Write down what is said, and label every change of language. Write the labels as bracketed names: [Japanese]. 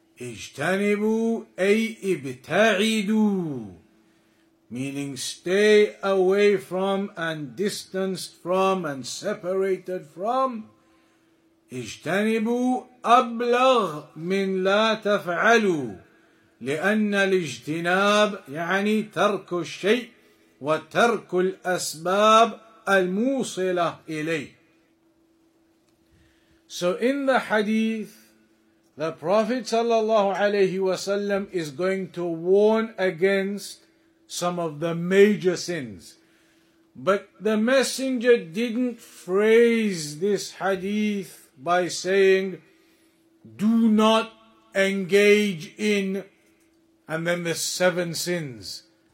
[Arabic] Ijtanibu ay ibta'idu, [English] meaning stay away from and distanced from and separated from. [Arabic] Ijtanibu ablagh min la taf'alu, لأن الاجتناب يعني ترك الشيء وترك الأسباب الموصلة إليه. [English] So in the hadith, the Prophet sallallahu alayhi wa sallam is going to warn against some of the major sins. But the Messenger didn't phrase this hadith by saying, do not engage in, and then the seven sins.